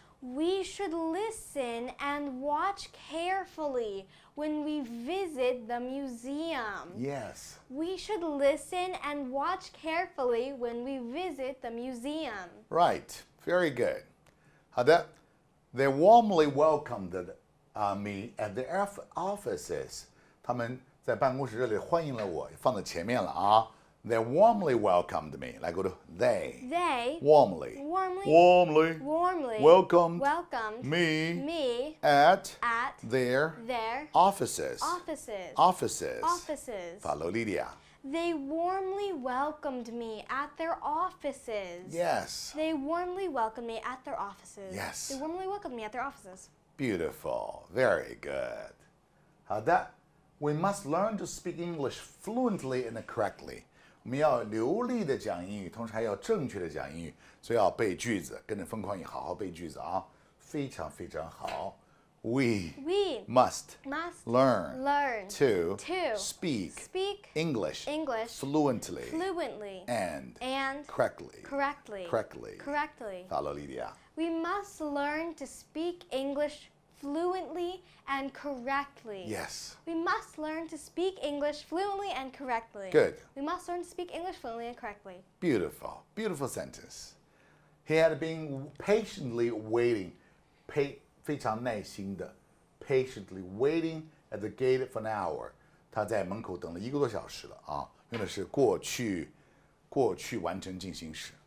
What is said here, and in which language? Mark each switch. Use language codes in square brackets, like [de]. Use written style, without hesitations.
[en] We should listen and watch carefully when we visit the museum. Yes. We should listen and watch carefully when we visit the museum. Right. Very good. [zh] 好的 [en] They warmly welcomed me at the offices. [zh] 他们在办公室这里欢迎了我放在前面了啊。 [en] They warmly welcomed me. [zh] 来， [en] go to they. They warmly, warmly, warmly, warmly welcomed, welcomed me, me at their offices. Offices. Offices. Offices. Follow Lydia. They warmly welcomed me at their offices. Yes. They warmly welcomed me at their offices. Yes. They warmly welcomed me at their offices. Beautiful. Very good. [zh] 好的 [en] We must learn to speak English fluently and correctly. [zh] 我们要流利的讲英语，同时还要正确的讲英语，所以要背句子，跟着疯狂语好好背句子啊，非常非常好。 [en] We must learn to speak English fluently and correctly. Correctly. Follow Lydia. We must learn to speak English fluently and correctly. Yes. We must learn to speak English fluently and correctly. Good. We must learn to speak English fluently and correctly. Beautiful. Beautiful sentence. He had been patiently waiting, [zh] 非常耐心的 [en] patiently waiting at the gate for an hour. [zh] 他在门口等了一个多小时了啊，用的是过去完成进行时。